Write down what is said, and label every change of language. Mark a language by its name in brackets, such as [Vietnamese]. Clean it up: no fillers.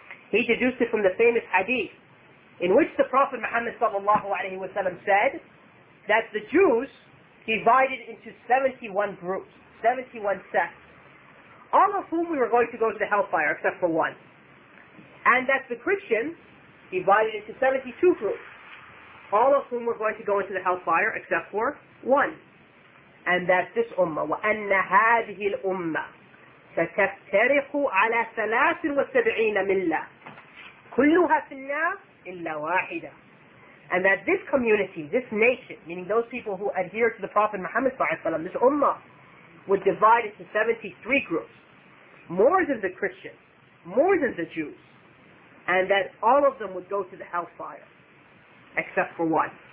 [English] He deduced it from the famous hadith, in which the Prophet Muhammad sallallahu alayhi wa sallam said that the Jews divided into 71 groups, 71 sects, all of whom we were going to go to the hellfire, except for one. And that the Christians divided into 72 groups, all of whom were going to go into the hellfire, except for one. [Arabic] And that this ummah, وَأَنَّ هَذِهِ الْأُمَّةِ سَتَفْتَرِقُ عَلَى 73 مِلَّةٍ كُلُّهَا فِي النَّارِ إِلَّا وَاحِدًا. [English] And that this community, this nation, meaning those people who adhere to the Prophet Muhammad ﷺ, this ummah, would divide into 73 groups, more than the Christians, more than the Jews, and that all of them would go to the hellfire, except for one.